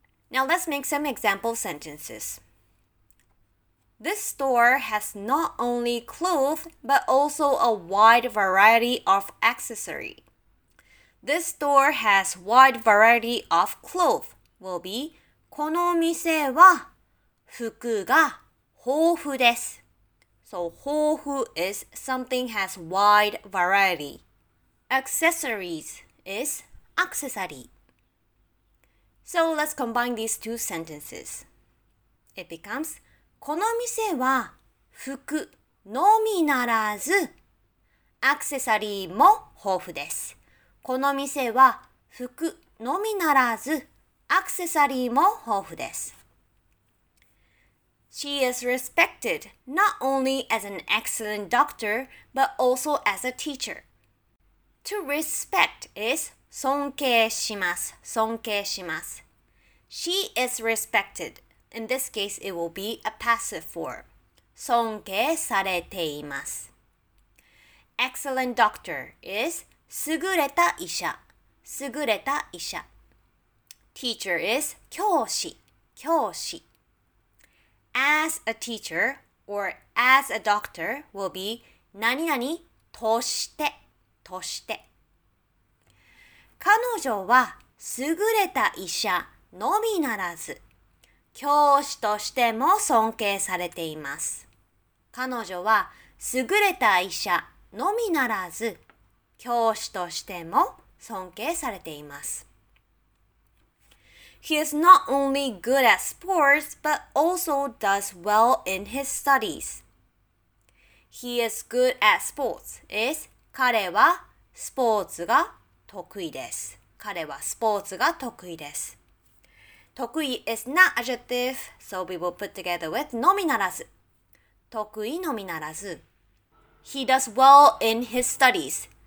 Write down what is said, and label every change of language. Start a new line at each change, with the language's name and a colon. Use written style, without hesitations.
English: Now let's make some example sentences. This store has not only clothes, but also a wide variety of accessories. This store has wide variety of clothes will be
Japanese: この店は服が豊富です。
English: So, 豊富 is something has wide variety. Accessories is accessory. So, let's combine these two sentences. It becomes,
Japanese: この店は服のみならず、アクセサリーも豊富です。この店は服のみならず、アクセサリーも豊富です。
English: She is respected not only as an excellent doctor, but also as a teacher. To respect is
Japanese: 尊敬します、尊敬します。
English: She is respected. In this case, it will be a passive form.
Japanese: 尊敬されています。
English: Excellent doctor is
Japanese: 優れた医者、優れた医者。
English: Teacher is
Japanese: 教師、教師。
English: As a teacher or as a doctor will be
Japanese: 何々として、として。彼女は優れた医者のみならず、教師としても尊敬されています。彼女は優れた医者のみならず、教師としても尊敬されています。
English: He is not only good at sports, but also does well in his studies. He is good at sports. Is
Japanese: 彼はスポーツが得意です。彼はスポーツが得意です。
English: 得意 is not adjective, so we will put together with のみならず。
Japanese: 得意のみならず。
English: He does well in his studies.